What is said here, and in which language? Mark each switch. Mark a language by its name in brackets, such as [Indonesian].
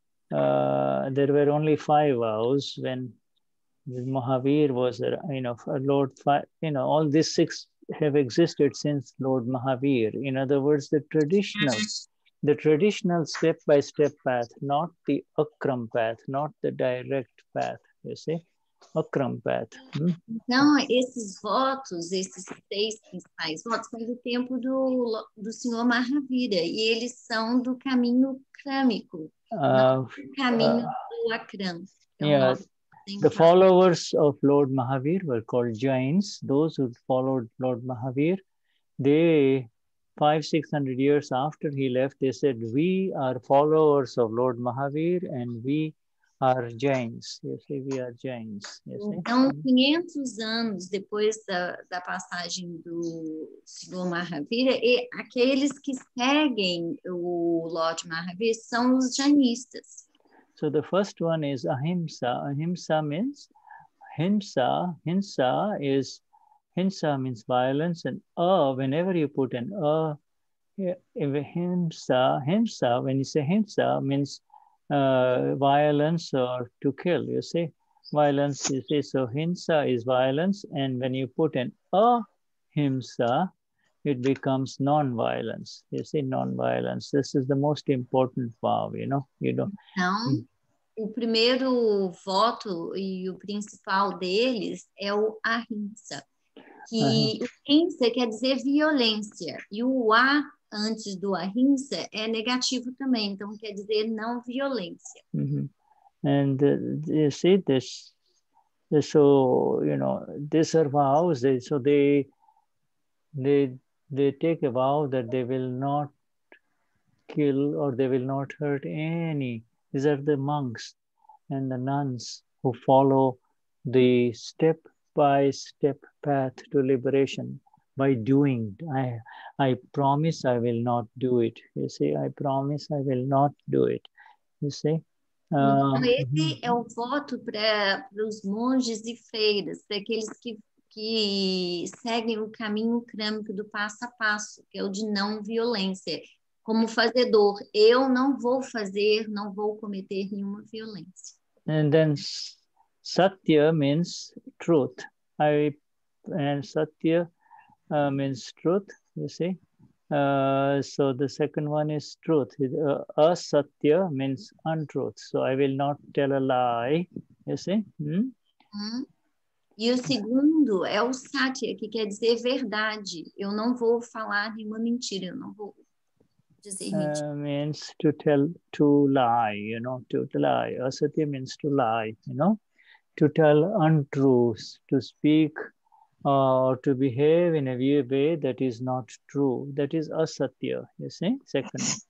[English] There were only five vows when Mahavir was, you know, Lord, you know, all these six have existed since Lord Mahavir. In other words, the traditional step-by-step path, not the Akram path, not the direct path, you see. Akram path. [Portuguese] Então, esses votos, esses seis principais votos, são do tempo do senhor Mahavira, e eles são do caminho crâmico, do Akram. [English] The followers of Lord Mahavir were called Jains. Those who followed Lord Mahavir, they, 500-600 years after he left, they said, we are followers of Lord Mahavir and we are Jains. You see, we are Jains. [Portuguese] Então, 500 anos depois da passagem do Senhor Mahavira, e aqueles que seguem o Lord Mahavir são os Jainistas. [English] So the first one is ahimsa. Ahimsa means hinsa. Hinsa means violence. And whenever you put an ahimsa, when you say hinsa means violence or to kill, you see. Violence, you see. So hinsa is violence. And when you put an ahimsa, it becomes non-violence. You see, non-violence. This is the most important vow, you know. You don't. [Portuguese] O primeiro voto e o principal deles é o ahimsa. Que ahimsa quer dizer violência. E o a antes do ahimsa é negativo também. Então, quer dizer não violência. [English] Uh-huh. And you see this. So, you know, these are vows. So, they take a vow that they will not kill or they will not hurt any. These are the monks and the nuns who follow the step-by-step path to liberation by doing. I promise I will not do it. You see, I promise I will not do it. You see? [Portuguese] Então, esse é o voto para os monges e freiras, para aqueles que seguem o caminho crâmico do passo a passo, que é o de não violência. Como fazedor, eu não vou fazer, não vou cometer nenhuma violência. [English] And then satya means truth. Means truth, you see. So the second one is truth. Asatya means untruth. So I will not tell a lie, you see. [Portuguese] E o segundo é o satya, que quer dizer verdade. Eu não vou falar nenhuma mentira, eu não vou. [English] Means to tell, to lie, you know, to lie. Asatya means to lie, you know, to tell untruths, to speak or to behave in a way that is not true. That is asatya, you see? Second.